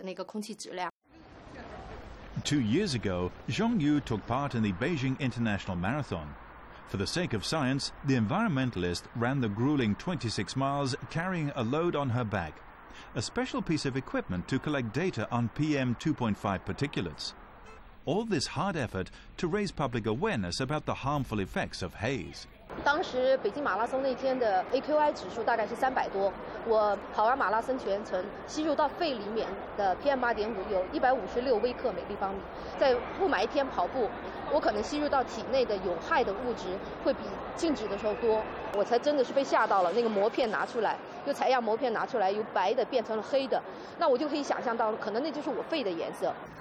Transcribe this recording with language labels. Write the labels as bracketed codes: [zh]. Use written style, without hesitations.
[zh] 我是一个跑步爱好者，所以我有经常工作的需要，经常在全国各地出差，所以跑鞋的话是我随时都放在我的行李箱里面的。今天的这个空气非常糟糕，肯定是达不到我要跑步的那个空气质量。 [en] 2 years ago, Zhang Yu took part in the Beijing International Marathon. For the sake of science, the environmentalist ran the grueling 26 miles carrying a load on her back. A special piece of equipment to collect data on PM2.5 particulates. All this hard effort to raise public awareness about the harmful effects of haze. [zh] 当时北京马拉松那天的 AQI 指数大概是300多，我跑完马拉松全程吸入到肺里面的 PM2.5 有156微克每立方米，在雾霾天跑步，我可能吸入到体内的有害的物质会比静止的时候多。我才真的是被吓到了，那个膜片拿出来，用采样膜片拿出来，由白的变成了黑的，那我就可以想象到，可能那就是我肺的颜色。